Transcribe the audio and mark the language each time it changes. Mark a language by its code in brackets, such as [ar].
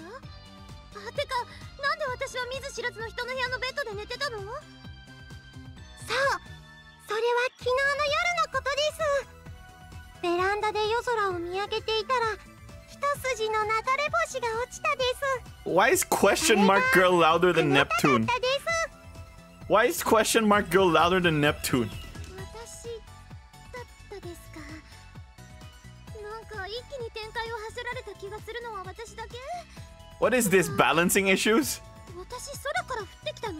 [ja] あ、てかなんで私は見ず知らずの人の部屋のベッドで寝てたの？そう、それは昨日の夜のことです。ベランダで夜空を見上げていたら一筋の流れ星が落ちたです。 [en] Why is question mark girl louder than Neptune? Why is question mark girl louder than Neptune? [ja] 私だったですか。なんか一気に展開を走られた気がするのは私だけ。 [en] What is this? Balancing issues? [ja] 私空から降ってきたの？